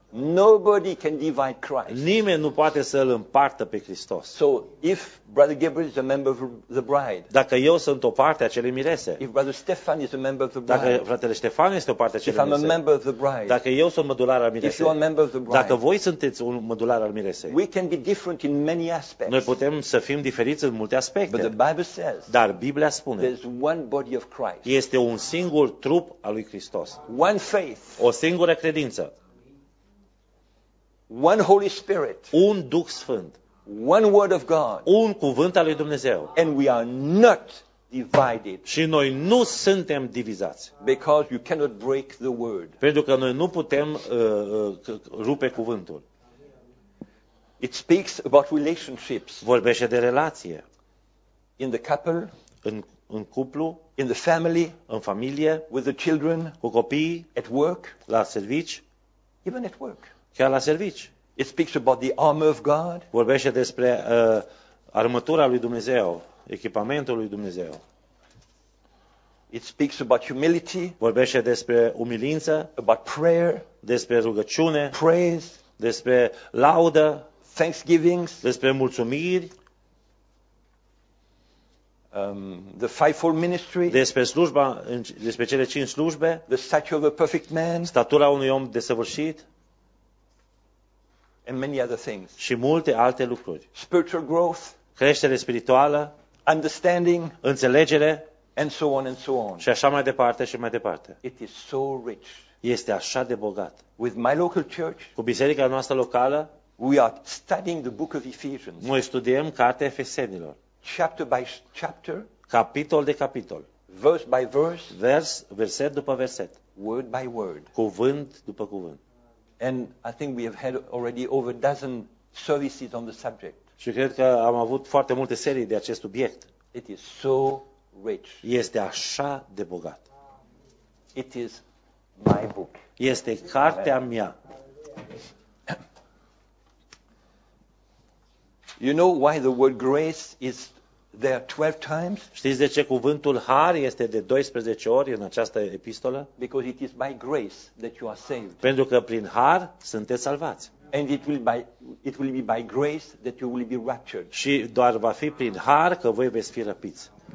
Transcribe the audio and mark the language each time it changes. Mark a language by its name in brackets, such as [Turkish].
[English] Nobody can divide Christ. [Romanian] Nimeni nu poate să îl împartă pe Hristos. [English] So if Brother Gabriel is a member of the bride. [Romanian] Dacă eu sunt o parte a celei mirese. [English] If Brother Stefan is a member of the bride. [Romanian] Dacă fratele Ștefan este o parte a celei mirese. [English] If I'm a member of the bride. [Romanian] Dacă eu sunt mădular al miresei. [English] If you are a member of the bride. [Romanian] Dacă voi sunteți un mădular al miresei. [English] We can be different in many aspects. [Romanian] Noi putem să fim diferiți în multe aspecte. [English] But the Bible says. [Romanian] Dar Biblia spune. [English] There's one body of Christ. [Romanian] Este un singur trup al lui Hristos. [English] One faith. [Romanian] O singură credință. [English] One Holy Spirit. [Romanian] Un Duh Sfânt. [English] One Word of God. [Romanian] Un cuvânt al lui Dumnezeu. [English] And we are not divided. [Romanian] Și noi nu suntem divizați. [English] Because you cannot break the word. [Romanian] Pentru că noi nu putem rupe cuvântul. [English] It speaks about relationships. [Romanian] Vorbește de relație. [English] In the couple. [Romanian] În cuplu. [English] In the family. [Romanian] În familie. [English] With the children. [Romanian] Cu copii. [English] At work. [Romanian] La servici. [English] Even at work. [Romanian] Chiar la servici. [English] It speaks about the armor of God. [Romanian] Vorbește despre armătura lui Dumnezeu, echipamentul lui Dumnezeu. [English] It speaks about humility. [Romanian] Vorbește despre umilință. [English] About prayer. [Romanian] Despre rugăciune. [English] Praise. [Romanian] Despre laudă. [English] Thanksgivings. [Romanian] Despre mulțumiri. [English] The fivefold ministry. [Romanian] Despre slujba, despre cele cinci slujbe. [English] The stature of a perfect man. [Romanian] Statura unui om desăvârșit. [English] And many other things. [Romanian] Și multe alte lucruri. [English] Spiritual growth. [Romanian] Creștere spirituală. [English] Understanding. [Romanian] Înțelegere. [English] And so on and so on. [Romanian] Și așa mai departe și mai departe. [English] It is so rich. [Romanian] Este așa de bogat. [English] With my local church. [Romanian] Cu biserica noastră locală. [English] We are studying the book of Ephesians. [Romanian] Noi studiem cartea Efesenilor. [English] Chapter by chapter. [Romanian] Capitol de capitol. [English] Verse by verse. [Romanian] Vers, verset după verset. [English] Word by word. [Romanian] Cuvânt după cuvânt. [English] And I think we have had already over a dozen services on the subject. [Romanian] Și cred că am avut foarte multe serii de acest subiect. [English] It is so rich. [Romanian] Este așa de bogat. [English] It is my book. [Romanian] Este cartea mea. [English] You know why the word grace is there 12 times? [Romanian] Știți de ce cuvântul har este de 12 ori în această epistolă? [English] Because it is by grace that you are saved. [Romanian] Pentru că prin har sunteți salvați. [English] And it will be by grace that you will be raptured. [Romanian] Și doar va fi prin har că voi veți fi răpiți.